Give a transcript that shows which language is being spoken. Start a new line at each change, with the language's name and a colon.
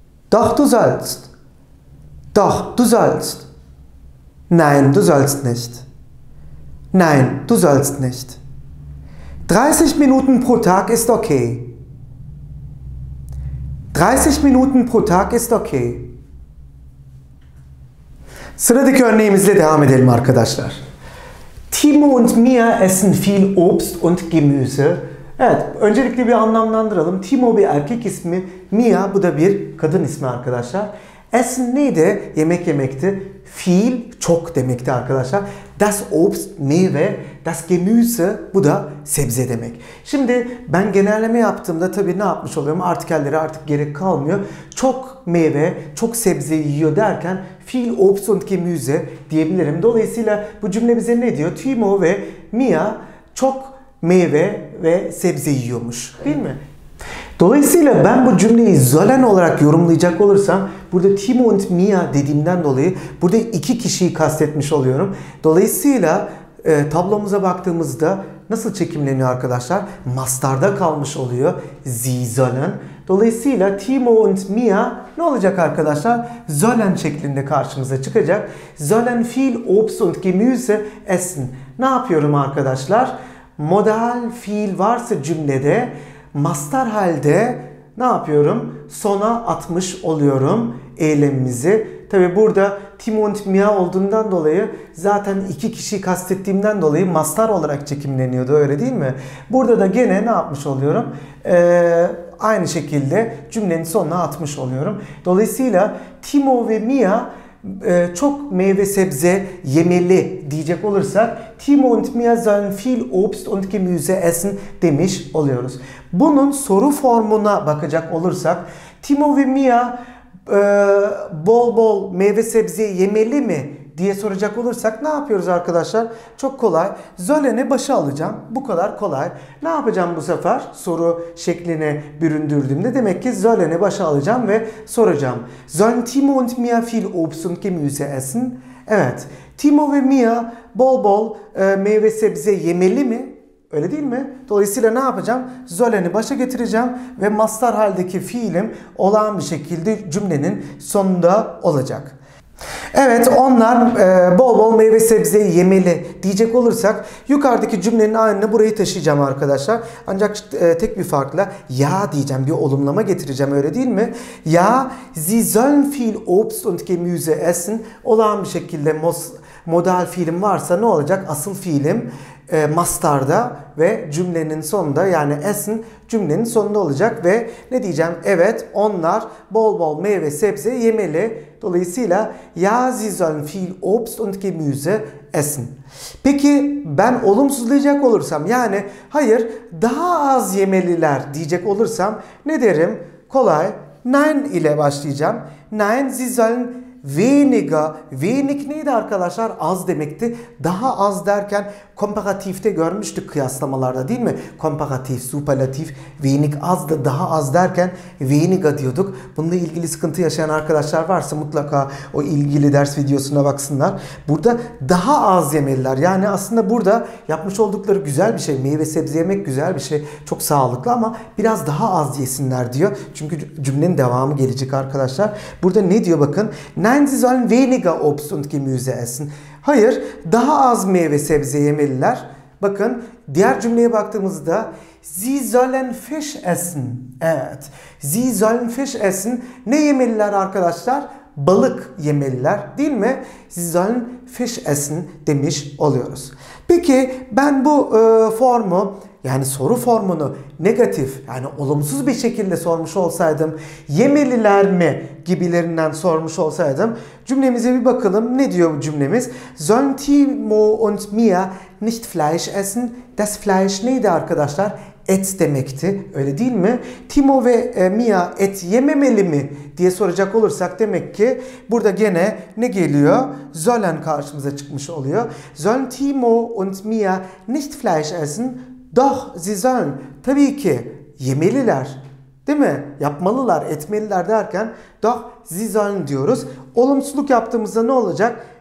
German: Doch, du sollst. Doch, du sollst. Nein, du sollst nicht. Nein, du sollst nicht. 30 Minuten pro Tag ist okay. 30 Minuten pro Tag ist okay.
Turkish: Sıradaki örneğimizle devam edelim arkadaşlar.
German: Timo und Mia essen viel Obst und Gemüse.
Turkish: Evet, öncelikle bir anlamlandıralım. Timo bir erkek ismi, Mia bu da bir kadın ismi arkadaşlar. Essen neydi? Yemek yemekti. Viel, çok demekti arkadaşlar. Das Obst, meyve. Das Gemüse, bu da sebze demek. Şimdi ben genelleme yaptığımda tabii ne yapmış oluyorum? Artikelleri artık gerek kalmıyor. Çok meyve, çok sebze yiyor derken
German: viel Obst und Gemüse
Turkish: diyebilirim. Dolayısıyla bu cümle bize ne diyor? Timo ve Mia çok meyve ve sebze yiyormuş. Değil mi? Dolayısıyla ben bu cümleyi Zollen olarak yorumlayacak olursam, burada Timo und Mia dediğimden dolayı burada iki kişiyi kastetmiş oluyorum. Dolayısıyla tablomuza baktığımızda nasıl çekimleniyor arkadaşlar? Mastarda kalmış oluyor
German: Sie sollen.
Turkish: Dolayısıyla Timo und Mia ne olacak arkadaşlar? Sollen şeklinde karşımıza çıkacak.
German: Sollen viel Obst und Gemüse essen.
Turkish: Ne yapıyorum arkadaşlar? Modal fiil varsa cümlede mastar halde ne yapıyorum? Sona atmış oluyorum eylemimizi. Tabi burada Timo und Mia olduğundan dolayı, zaten iki kişiyi kastettiğimden dolayı mastar olarak çekimleniyordu, öyle değil mi? Burada da gene ne yapmış oluyorum? Aynı şekilde cümlenin sonuna atmış oluyorum. Dolayısıyla Timo ve Mia çok meyve sebze yemeli diyecek olursak
German: Timo und Mia sollen viel Obst und Gemüse essen
Turkish: demiş oluyoruz. Bunun soru formuna bakacak olursak Timo ve Mia bol bol meyve sebze yemeli mi diye soracak olursak ne yapıyoruz arkadaşlar? Çok kolay. Zölene başı alacağım. Bu kadar kolay. Ne yapacağım bu sefer? Soru şekline büründürdüğümde demek ki zölene başı alacağım ve soracağım.
German: Zön Timo und Mia viel Obst und Gemüse essen?
Turkish: Evet. Timo ve Mia bol bol meyve sebze yemeli mi? Öyle değil mi? Dolayısıyla ne yapacağım? Zöleni başa getireceğim ve mastar haldeki fiilim olağan bir şekilde cümlenin sonunda olacak. Evet, onlar bol bol meyve sebze yemeli diyecek olursak yukarıdaki cümlenin aynını burayı taşıyacağım arkadaşlar. Ancak tek bir farkla ya diyeceğim, bir olumlama getireceğim, öyle değil mi?
German: Ya, sie sollen viel Obst und Gemüse essen.
Turkish: Olağan bir şekilde modal fiilim varsa ne olacak? Asıl fiilim mastarda ve cümlenin sonunda, yani essen cümlenin sonunda olacak ve ne diyeceğim? Evet, onlar bol bol meyve sebze yemeli.
German: Dolayısıyla ya sie sollen viel Obst und Gemüse essen.
Turkish: Peki ben olumsuzlayacak olursam, yani hayır daha az yemeliler diyecek olursam ne derim? Kolay. Nein ile başlayacağım.
German: Nein, sie sollen weniger.
Turkish: Wenig neydi arkadaşlar? Az demekti. Daha az derken komparatifte görmüştük kıyaslamalarda, değil mi? Komparatif, superlatif, wenig az da daha az derken weniger diyorduk. Bununla ilgili sıkıntı yaşayan arkadaşlar varsa mutlaka o ilgili ders videosuna baksınlar. Burada daha az yemeliler. Yani aslında burada yapmış oldukları güzel bir şey. Meyve sebze yemek güzel bir şey. Çok sağlıklı ama biraz daha az yesinler diyor. Çünkü cümlenin devamı gelecek arkadaşlar. Burada ne diyor bakın?
German: Nein, sie sollen weniger Obst und Gemüse essen.
Turkish: Hayır, daha az meyve sebze yemeliler. Bakın, diğer cümleye baktığımızda
German: Sie sollen Fisch essen.
Turkish: Evet.
German: Sie sollen Fisch essen.
Turkish: Ne yemeliler arkadaşlar? Balık yemeliler, değil mi?
German: Sie sollen Fisch essen
Turkish: demiş oluyoruz. Peki ben bu formu, yani soru formunu negatif, yani olumsuz bir şekilde sormuş olsaydım, yemeliler mi gibilerinden sormuş olsaydım, cümlemize bir bakalım, ne diyor cümlemiz?
German: Sollen Timo und Mia nicht Fleisch essen?
Turkish: Das Fleisch neydi arkadaşlar? Et demekti, öyle değil mi? Timo ve Mia et yememeli mi diye soracak olursak demek ki burada gene ne geliyor? Sollen karşımıza çıkmış oluyor.
German: Sollen Timo und Mia nicht Fleisch essen? Doch, sie sollen.
Turkish: Tabii ki yemeliler. Değil mi? Yapmalılar, etmeliler derken
German: doch, sie sollen
Turkish: diyoruz. Olumsuzluk yaptığımızda ne olacak?